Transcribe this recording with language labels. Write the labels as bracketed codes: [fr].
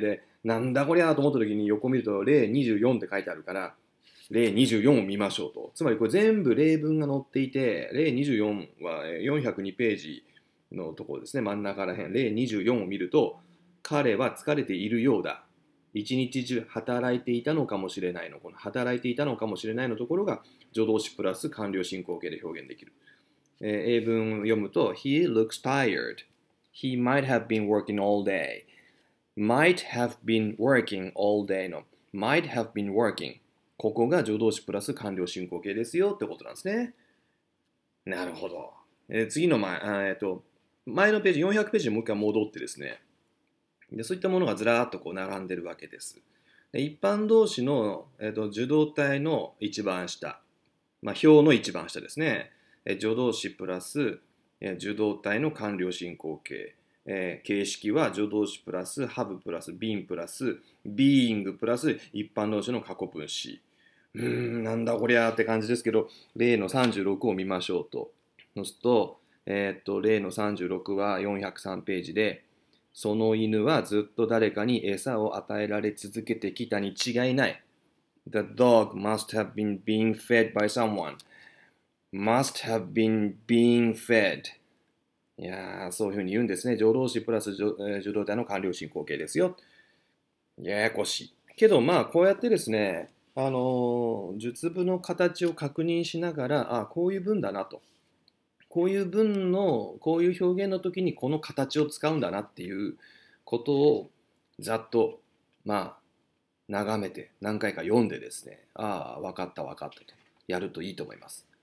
[ja] で、なんだこりゃと思った時に横見ると例24って書いてあるから、例24を見ましょうと。つまりこれ全部例文が載っていて、例24は402ページのところですね、真ん中ら辺、例24を見ると、彼は疲れているようだ。一日中働いていたのかもしれないの、この働いていたのかもしれないのところが、助動詞プラス完了進行形で表現できる。 [en] 英文を読むと、He looks tired. He might have been working all day. Might have been working all day の Might have been working。 [ja] ここが助動詞プラス完了進行形ですよってことなんですね。なるほど。次の前、前のページ、400ページにもう一回戻ってですね。で、そういったものがずらーっと並んでるわけです。で、一般動詞の、受動態の一番下。表の一番下ですね。助動詞プラス、受動態の完了進行形。形式は助動詞プラス、have プラス、been プラス、being プラス、一般動詞の過去分詞。なんだこりゃーって感じですけど、例の36を見ましょうと。そうすると、例の36は403ページで、その犬はずっと誰かに餌を与えられ続けてきたに違いない。 [en] The dog must have been being fed by someone. Must have been being fed. [ja] いやー、そういうふうに言うんですね。助動詞プラス助動態の完了進行形ですよ。ややこしい。けど、こうやってですね、述語の形を確認しながら、ああ、こういう文だなと。こういう文のこういう表現の時にこの形を使うんだなっていうことをざっとまあ眺めて何回か読んでですね、ああ分かった分かったとやるといいと思います。